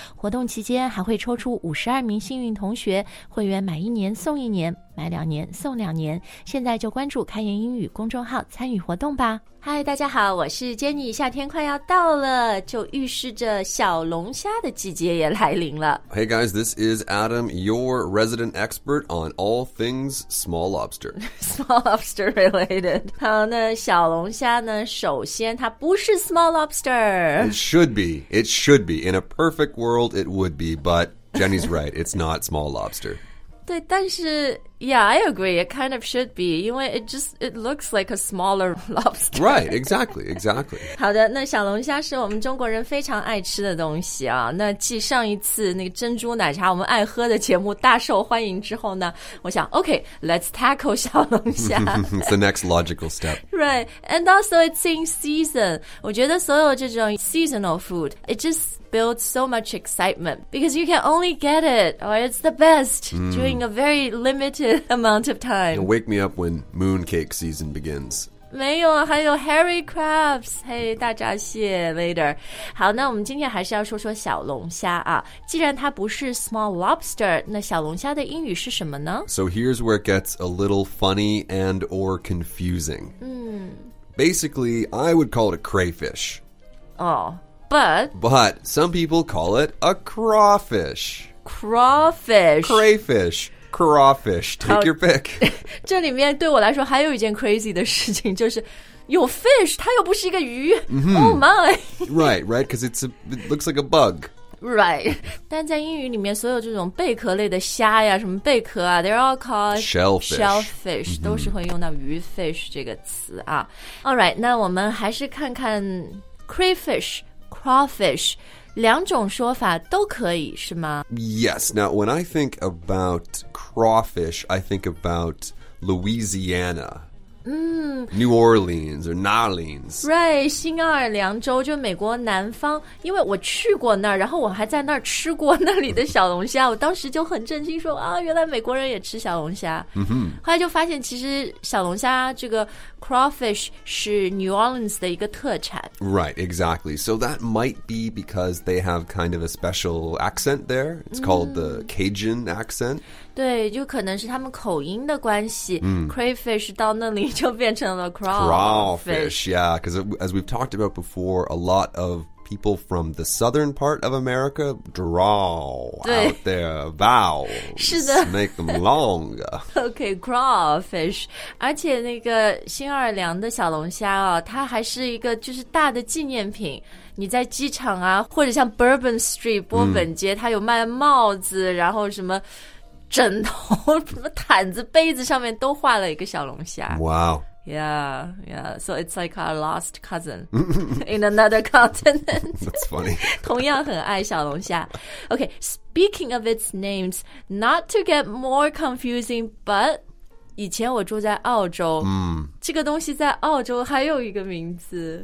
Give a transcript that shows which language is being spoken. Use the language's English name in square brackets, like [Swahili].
[Chinese] 活动期间还会抽出52名幸运同学，会员买一年送一年，买两年送两年。现在就关注开言英语公众号参与活动吧。嗨，大家好，我是 Jenny， 夏天快要到了，就预示着小龙虾的季节也来临了。 [English] Hey guys, this is Adam, your resident expert on all things small lobster. Small lobster related. [Chinese] 好，那小龙虾呢，首先它不是 small lobster. [English] It should be. In a perfect world, it would be, but Jenny's right, it's not small lobster. [Chinese] 对，但是 [English] Yeah, I agree. It kind of should be, because it looks like a smaller lobster. Right, exactly. [Chinese] 好的，那小龙虾是我们中国人非常爱吃的东西啊。那继上一次那个珍珠奶茶我们爱喝的节目大受欢迎之后呢，我想 okay, [English] let's tackle [Chinese] 小龙虾。 [English] It's the next logical step. Right, and also it's in season. [Chinese] 我觉得所有这种 [English] seasonal food, it just builds so much excitement, because you can only get it, or it's the best, during a very limited amount of time. You'll wake me up when mooncake season begins. [Chinese] 没有，还有 hairy crabs. Hey, 大闸蟹 later. 好，那我们今天还是要说说小龙虾啊。既然它不是 small lobster, 那小龙虾的英语是什么呢？ [English] So here's where it gets a little funny and or confusing. Basically, I would call it a crayfish. Oh, but... But some people call it a crawfish. Crawfish. Crayfish. Crawfish, take your pick. [Chinese] 这里面对我来说还有一件 crazy 的事情，就是有 fish, 它又不是一个鱼。 [English] Oh my! Right, because it looks like a bug. [Chinese] Right. 但在英语里面所有这种贝壳类的虾呀，什么贝壳啊， [English] they're all called shellfish,、 [Chinese] mm-hmm. 都是会用到鱼 fish 这个词啊。Alright, 那我们还是看看 crayfish, crawfish,两种说法都可以是吗 [English] Yes. Now, when I think about crawfish, I think about Louisiana. New Orleans or New Orleans. Right. [Chinese] 新奥尔良州就美国南方因为我去过那儿然后我还在那儿吃过那里的小龙虾我当时就很震惊说啊原来美国人也吃小龙虾、 [English] mm-hmm. [Chinese] 后来就发现其实小龙虾这个 crawfish 是 New Orleans 的一个特产 [English] Right, exactly. So that might be because they have kind of a special accent there. It's called the Cajun accent. [Chinese] 对就可能是他们口音的关系、crayfish 到那里就变成了 [English] crawfish. Yeah, because as we've talked about before, a lot of people from the southern part of America draw out their vowels. [Chinese] 是的 [English] Make them long. Okay, crawfish. [Chinese] 而且那个新奥尔良的小龙虾哦，它还是一个就是大的纪念品。你在机场啊，或者像 Bourbon Street 波本街，它有卖帽子，然后什么枕头、什么毯子、杯子上面都画了一个小龙虾。 [English] Wow. Yeah. So it's like our lost cousin in another continent. That's funny. [Chinese] 同样很爱小龙虾。 [English] Okay, speaking of its names, not to get more confusing, but [Chinese] 以前我住在澳洲。这个东西在澳洲还有一个名字。